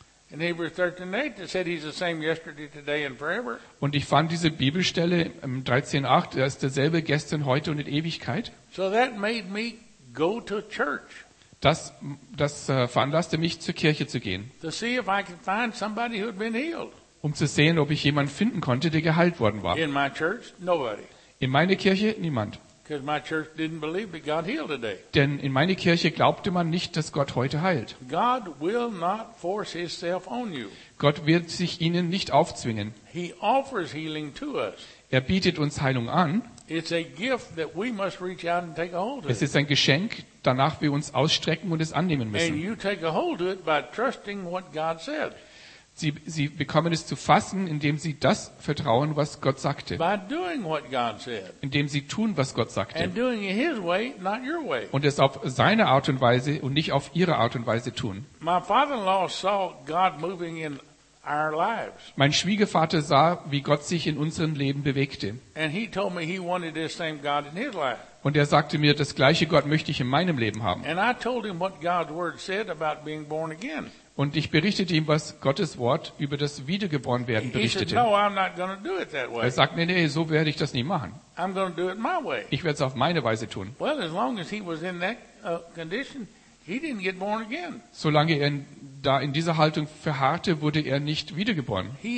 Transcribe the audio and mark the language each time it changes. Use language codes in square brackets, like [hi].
[en] In Hebrews 13:8, it said he's the same yesterday, today and forever. [de] Und ich fand diese Bibelstelle im 13:8, er ist derselbe gestern, heute und in Ewigkeit. [en] So that made me go to church. [de] Das veranlasste mich, zur Kirche zu gehen. [en] To see if I could find somebody who had been healed. [de] Um zu sehen, ob ich jemanden finden konnte, der geheilt worden war. [en] In my church, nobody. [de] In meiner Kirche niemand. [en] Because my church didn't believe that God healed today. [de] Denn in meiner Kirche glaubte man nicht, dass Gott heute heilt. [en] God will not force himself on you. [de] Gott wird sich ihnen nicht aufzwingen. [en] He offers healing to us. [de] Er bietet uns Heilung an. [en] It's a gift that we must reach out and take a hold of. [de] Es ist ein Geschenk, danach wir uns ausstrecken und es annehmen müssen. [en] And you take a hold of it by trusting what God said. [de] Sie bekommen es zu fassen, indem sie das vertrauen, was Gott sagte. [en] By doing what God said. [de] Indem sie tun, was Gott sagte. [en] And doing it his way, not your way. [de] Und es auf seine Art und Weise und nicht auf ihre Art und Weise tun. [en] My father-in-law saw God moving in our lives. [de] Mein Schwiegervater sah, wie Gott sich in unserem Leben bewegte. [en] And he told me he wanted this same God in his life. [de] Und er sagte mir, das gleiche Gott möchte ich in meinem Leben haben. [en] And I told him what God's word said about being born again. [de] Und ich berichtete ihm, was Gottes Wort über das Wiedergeborenwerden berichtete. Er sagte, nee, so werde ich das nie machen. Ich werde es auf meine Weise tun. Solange er da in dieser Haltung verharrte, wurde er nicht wiedergeboren.